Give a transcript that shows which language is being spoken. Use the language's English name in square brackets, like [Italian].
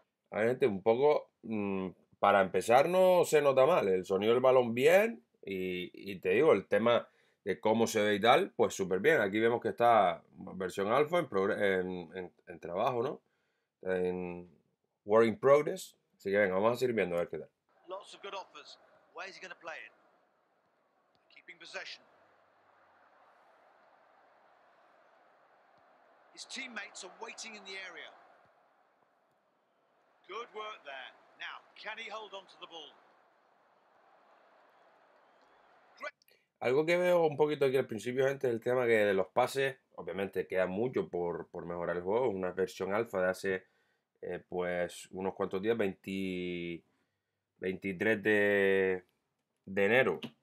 [Spanish] A ver, gente, un poco para empezar no se nota mal el sonido del balón bien y te digo el tema de cómo se ve y tal, pues súper bien. Aquí vemos que está versión alfa en trabajo, ¿no? En [English] Work in progress, [Spanish] así que venga, vamos a seguir viendo a ver qué tal. [English] Lots of good offers. Where is he going to play it? Keeping possession. His teammates are waiting in the area. Good work there. Now, can he hold on to the ball? [Spanish] Algo que veo un poquito aquí al principio, gente, es el tema que de los pases, obviamente queda mucho por mejorar el juego. Una versión alfa de hace pues unos cuantos días, 20, 23 de enero.